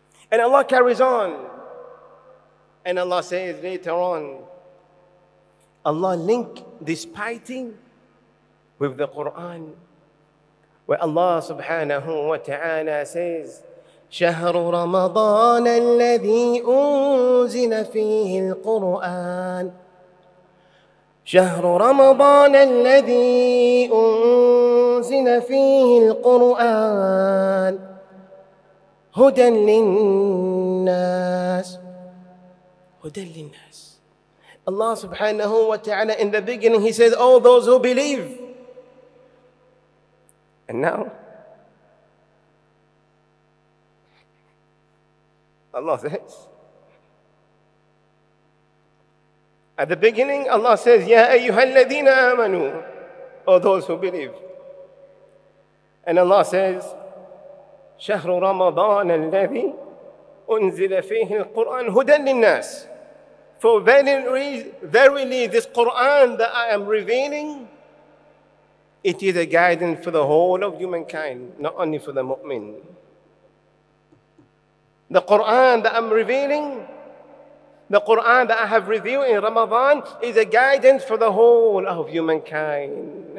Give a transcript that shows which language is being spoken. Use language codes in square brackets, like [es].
[en] And Allah carries on, and Allah says later on, Allah link this piety with the Quran, where Allah subhanahu wa ta'ala says, [ar] شهر رمضان الذي أنزل فيه القرآن شهر رمضان الذي أنزل فيه القرآن هدى للناس. هدى للناس. [en] Allah subhanahu wa ta'ala in the beginning he said, oh those who believe. And now Allah says, at the beginning Allah says, [ar] ya ayyuha alladhina amanu, [en] oh those who believe. And Allah says, [ar] شهر رمضان الذي أنزل فيه القرآن هدى للناس. [en] For verily this Qur'an that I am revealing, it is a guidance for the whole of humankind, not only for the mu'min. The Qur'an that I'm revealing, the Qur'an that I have revealed in Ramadan, is a guidance for the whole of humankind.